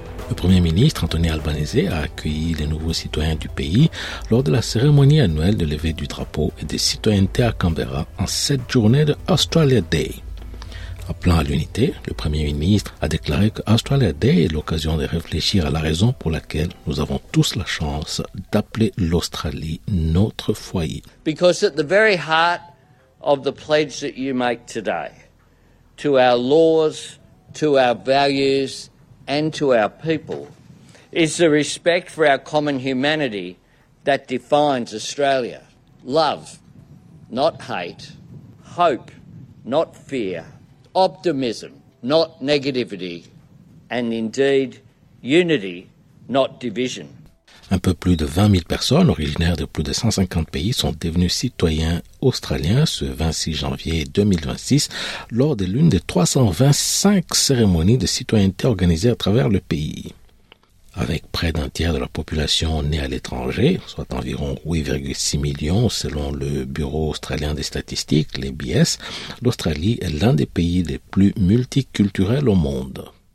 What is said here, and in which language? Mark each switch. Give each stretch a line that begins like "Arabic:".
French: Le Premier ministre Anthony Albanese a accueilli les nouveaux citoyens du pays lors de la cérémonie annuelle de levée du drapeau et des citoyennetés à Canberra en cette journée de Australia Day. Appelant à l'unité, le Premier ministre a déclaré que Australia Day est l'occasion de réfléchir à la raison pour laquelle nous avons tous la chance d'appeler l'Australie notre foyer.
English: Because at the very heart of the pledge that you make today, to our laws, to our values, and to our people, is the respect for our common humanity that defines Australia. Love, not hate, hope, not fear, optimism, not negativity, and indeed, unity, not division.
French: Un peu plus de 20 000 personnes originaires de plus de 150 pays sont devenues citoyens australiens ce 26 janvier 2026 lors de l'une des 325 cérémonies de citoyenneté organisées à travers le pays. Avec près d'un tiers de la population née à l'étranger, soit environ 8,6 millions selon le Bureau australien des statistiques, l'ABS, l'Australie est l'un des pays les plus multiculturels au monde.